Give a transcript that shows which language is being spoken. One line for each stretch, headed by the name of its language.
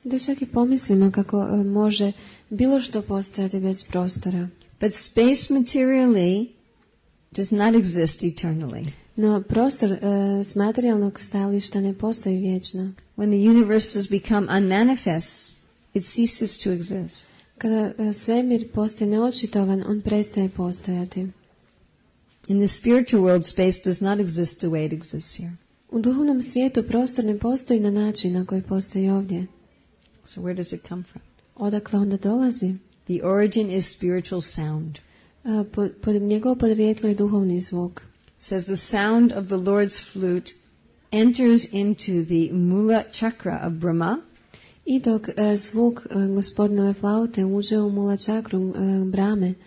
Croatian: Da čak i pomislimo kako može bilo što postojati bez prostora.
English: But space materially does not exist eternally.
Croatian: No, prostor s materijalnog stajališta ne postoji vječno.
English: When the universe has become unmanifest, it ceases to exist.
Croatian: Kada svemir postaje neočitovan, on prestaje postojati.
English: In the spiritual world, space does not exist the way it exists here.
Croatian: U duhovnom svijetu prostor ne postoji na način na koji postoji ovdje.
English: So where does it come from?
Croatian: Odakle onda dolazi?
English: The origin is spiritual sound.
Croatian: Njegovo podrijetlo je duhovni zvuk.
English: Says the sound of the Lord's flute enters into the mula chakra of Brahma.
Croatian: I dok zvuk gospodinove flaute uđe u mula čakru Brahme.